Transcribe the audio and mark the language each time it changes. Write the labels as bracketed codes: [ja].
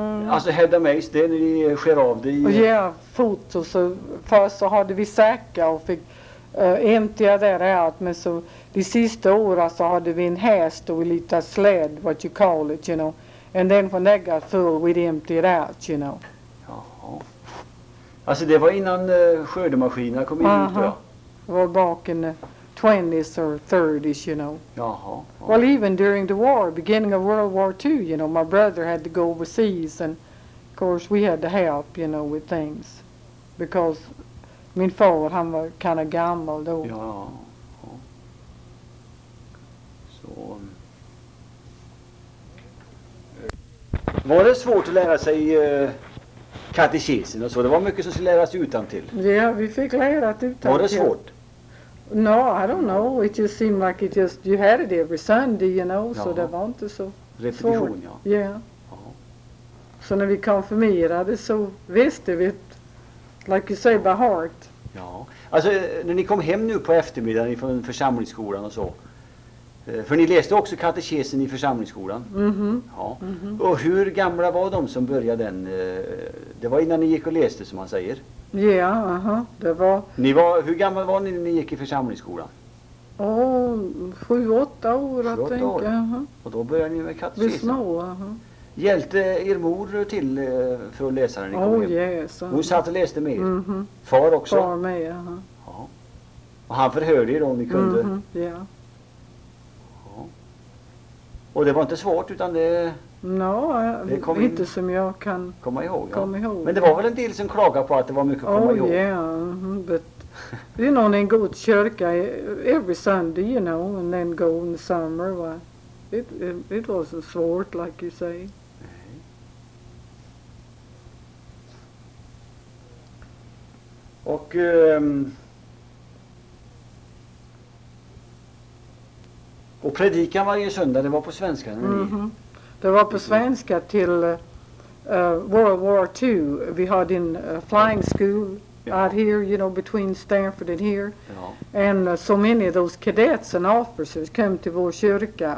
[sv] Alltså hädda mis, det är när ni skär av det i... Ja, fot och så... Först så hade vi säckar och fick ämtiga där ut. Men så de sista åren så hade vi en häst och en liten sled, [en] what you call it, you know. And then when that got full, we'd empty it out, you know. [sv] Alltså det var innan skördemaskinerna kom in. Uh-huh. Ut, ja. Det var bak [en] in the 20s or 30s, you know. [sv] Jaha. [en] Well, even during the war, beginning of World War II, you know, my brother had to go overseas and of course we had to help, you know, with things. [sv] Because min far, han var [en] kind of [sv] gammal då. Ja. Var det svårt att lära sig katekesen och så? Det var mycket som skulle läras utantill. Ja, yeah, vi fick lära det utantill. Var det svårt? [en] No, I don't know. It just seemed like it just, you had it every Sunday, you know. [sv] Ja. Så det var inte så repetition, svårt. Repetition, ja. Yeah. Ja. Så när vi konfirmerade så visste vi, [en] like you say, by heart. [sv] Ja, alltså när ni kom hem nu på eftermiddagen från församlingsskolan och så. För ni läste också katekesen i församlingsskolan. Och hur gamla var de som började den? Det var innan ni gick och läste, som man säger. Ja, yeah, det var... Ni var... Hur gammal var ni när ni gick i församlingsskolan? Sju, åtta år, jag tänker. Och då började ni med katekesen. Hjälpte er mor till för att läsa när ni kom hem? [en] Yes, [sv] Hon satt och läste med er. Far också? Far med, ja. Och han förhörde er om ni kunde? Ja. Och det var inte svårt, utan det... inte som jag kan komma ihåg. Men det var väl en del som klagade på att det var mycket att komma ihåg. [en] But you know, in [sv] god kyrka [en] every Sunday, you know, and then go in the summer. Well, it wasn't svårt, like you say. [sv] Nej. Och... Och predikan varje söndag, det var på svenska? Det var på svenska till World War II. Vi hade en [en] flying school out here, you know, between Stanford and here. And so many of those cadets and officers came to [sv] vår kyrka.